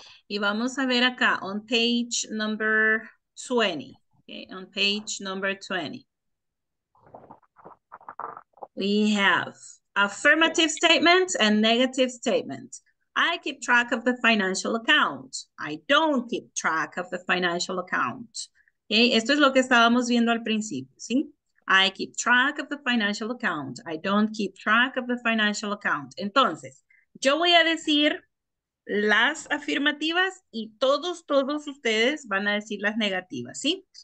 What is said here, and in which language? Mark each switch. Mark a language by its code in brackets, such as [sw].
[es] Y vamos a ver acá [en] on page number 20. Okay, on page number 20. We have affirmative statements and negative statements. I keep track of the financial account. I don't keep track of the financial account. [es] Okay, esto es lo que estábamos viendo al principio, ¿sí? [en] I keep track of the financial account. I don't keep track of the financial account. [es] Entonces, yo voy a decir las afirmativas y todos ustedes van a decir las negativas, ¿sí?